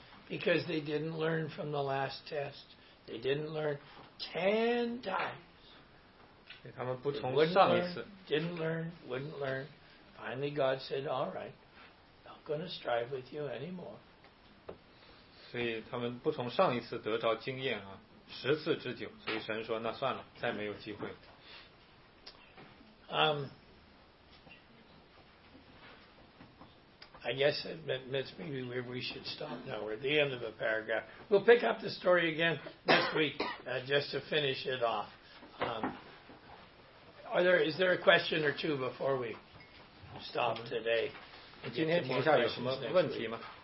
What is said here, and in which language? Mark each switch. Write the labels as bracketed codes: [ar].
[en] Because they didn't learn from the last test. They didn't learn 10 times. [zh] 他们不从上一次。 [en] Didn't learn, wouldn't learn. Finally God said, all right, not going to strive with you anymore. [zh] 所以他们不从上一次得着经验啊，十次之久，所以神说那算了，再没有机会。 [en] I guess that's maybe where we should stop now. We're at the end of a paragraph. We'll pick up the story again next week, just to finish it off. Is there a question or two before we stop today? [zh] 今天停下有什么问题吗？